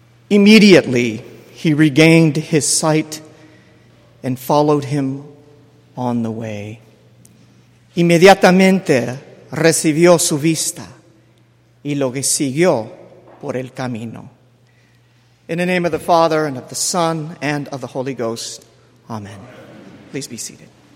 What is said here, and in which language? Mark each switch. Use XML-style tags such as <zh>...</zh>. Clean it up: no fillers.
<en>Immediately he regained his sight and followed him on the way.</en> <es>Inmediatamente recibió su vista y lo siguió por el camino.</es> <en>In the name of the Father, and of the Son, and of the Holy Ghost. Amen. Please be seated.</en>